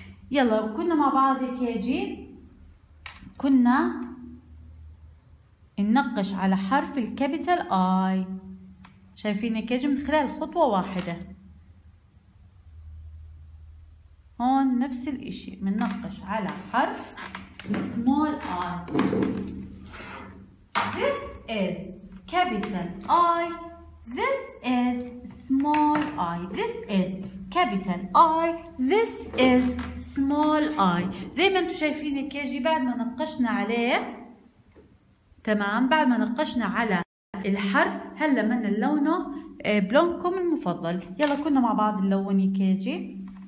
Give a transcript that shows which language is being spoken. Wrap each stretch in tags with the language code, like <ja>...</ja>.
<ar>يلا كنا مع بعض يا كيجي، كنا ننقش على حرف الكابيتال اي. شايفين يا كيجي من خلال خطوه واحده هون نفس الاشي بننقش على حرف السمول اي.</ar> <en>This is capital i, this is small i. This is capital I, this is small I.</en> <ar>زي ما انتو شايفين يا كيجي بعد ما نقشنا عليه، تمام، بعد ما نقشنا على الحرف هلا من اللونه بلونكم المفضل. يلا كنا مع بعض نلون يا كيجي.</ar>